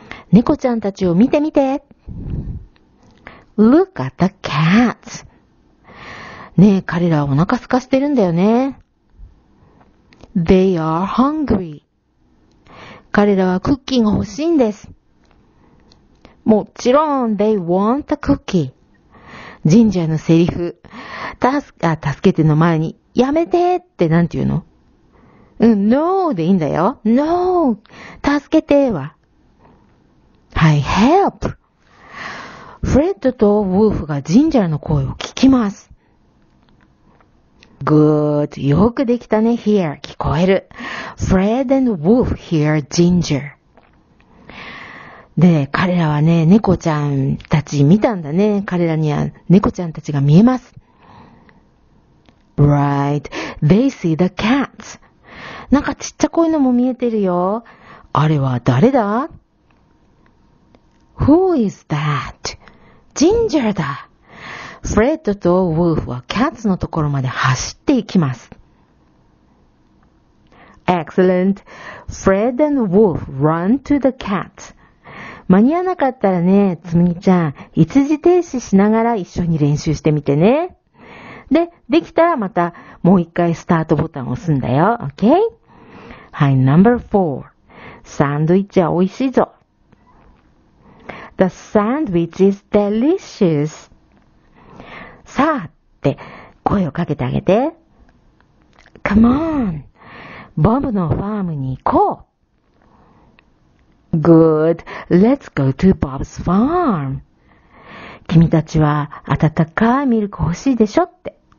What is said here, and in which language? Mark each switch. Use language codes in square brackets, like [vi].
[ja] 猫ちゃんたちを見てみて。 [en] Look at the cats. [ja] ねえ、彼らはお腹空かしてるんだよね。 [en] They are hungry. [ja] 彼らはクッキーが欲しいんです。もちろん、 [en] they want the cookie. [ja] 神社のセリフ。助けての前に、やめてってなんて言うの？うん、no でいいんだよ。 no! 助けてーは。はい、help! フレッドとウォーフがジンジャーの声を聞きます。 [en] good! [ja] よくできたね、hear! 聞こえる。 [en] Fred and Wolf hear Ginger. [ja] で、彼らはね、猫ちゃんたち見たんだね。彼らには猫ちゃんたちが見えます。 [en] right! They see the cats! [ja] なんかちっちゃいのも見えてるよ。あれは誰だ？ [en] Who is that? [ja] ジンジャーだ。フレッドとウォーフはキャッツのところまで走っていきます。 [en] Excellent. Fred and Wolf run to the cat. [ja] 間に合わなかったらね、つむぎちゃん、一時停止しながら一緒に練習してみてね。で、できたらまたもう一回スタートボタンを押すんだよ。 OK? はい、No.4。サンドイッチは美味しいぞ。 [en] The sandwich is delicious. [ja] さあって声をかけてあげて。 [en] Come on! [ja] ボブのファームに行こう。 [en] Good! Let's go to Bob's farm. [ja] 君たちは温かいミルク欲しいでしょって。